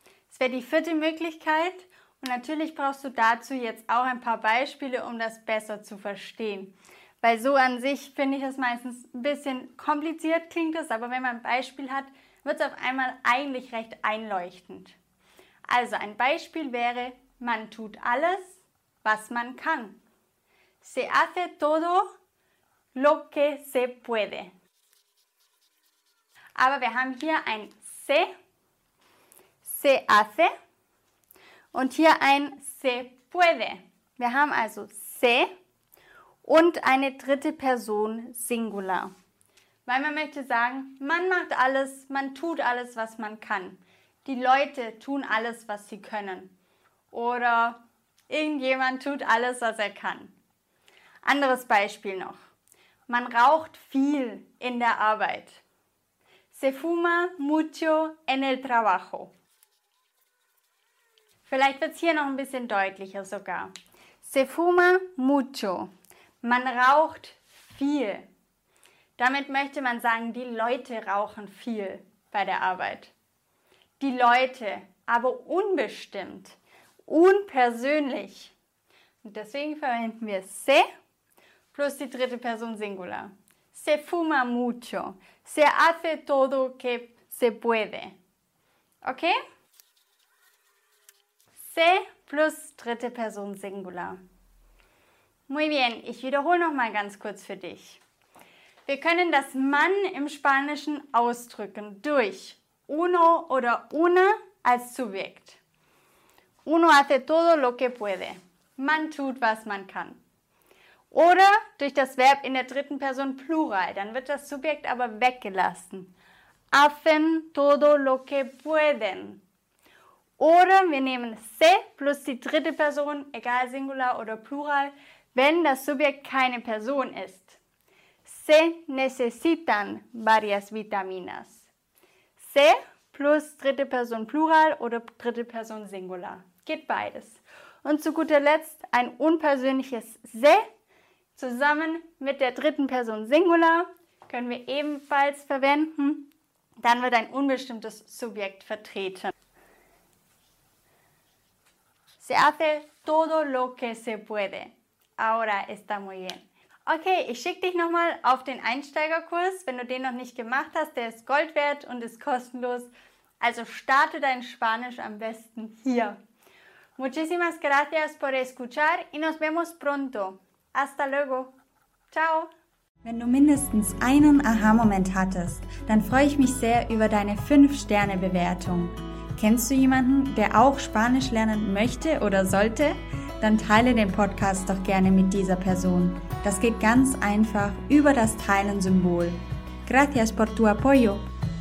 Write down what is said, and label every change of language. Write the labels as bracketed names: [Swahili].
[German] Das wäre die vierte Möglichkeit. Und natürlich brauchst du dazu jetzt auch ein paar Beispiele, um das besser zu verstehen. Weil so an sich finde ich es meistens ein bisschen kompliziert klingt es, aber wenn man ein Beispiel hat, wird es auf einmal eigentlich recht einleuchtend. Also ein Beispiel wäre, man tut alles, was man kann. [Spanish] Se hace todo lo que se puede. [German] Aber wir haben hier ein se, se hace und hier ein se puede. Wir haben also se und eine dritte Person Singular. Weil man möchte sagen, man macht alles, man tut alles, was man kann. Die Leute tun alles, was sie können. Oder irgendjemand tut alles, was er kann. Anderes Beispiel noch. Man raucht viel in der Arbeit. [Spanish] Se fuma mucho en el trabajo. [German] Vielleicht wird es hier noch ein bisschen deutlicher sogar. [Spanish] Se fuma mucho. [German] Man raucht viel. Damit möchte man sagen, die Leute rauchen viel bei der Arbeit. Die Leute, aber unbestimmt, unpersönlich. Und deswegen verwenden wir se plus die dritte Person Singular. [Spanish] Se fuma mucho. Se hace todo que se puede. Okay? [German] Se plus dritte Person Singular. Muy bien, ich wiederhole noch mal ganz kurz für dich. Wir können das Mann im Spanischen ausdrücken durch uno oder una als Subjekt. [Spanish] Uno hace todo lo que puede. [German] Man tut, was man kann. Oder durch das Verb in der dritten Person Plural. Dann wird das Subjekt aber weggelassen. [Spanish] Hacen todo lo que pueden. [German] Oder wir nehmen se plus die dritte Person, egal Singular oder Plural, wenn das Subjekt keine Person ist. [Spanish] Se necesitan varias vitaminas. [German] Se plus dritte Person Plural oder dritte Person Singular. Geht beides. Und zu guter Letzt ein unpersönliches se zusammen mit der dritten Person Singular können wir ebenfalls verwenden. Dann wird ein unbestimmtes Subjekt vertreten. [Spanish] Se hace todo lo que se puede. Ahora está muy bien. [German] Okay, ich schicke dich nochmal auf den Einsteigerkurs. Wenn du den noch nicht gemacht hast, der ist Gold wert und ist kostenlos. Also starte dein Spanisch am besten hier. [Spanish] Muchísimas gracias por escuchar y nos vemos pronto. Hasta luego. Ciao. [German] Wenn du mindestens einen Aha-Moment hattest, dann freue ich mich sehr über deine 5-Sterne-Bewertung. Kennst du jemanden, der auch Spanisch lernen möchte oder sollte? Dann teile den Podcast doch gerne mit dieser Person. Das geht ganz einfach über das Teilen-Symbol. [Spanish] Gracias por tu apoyo.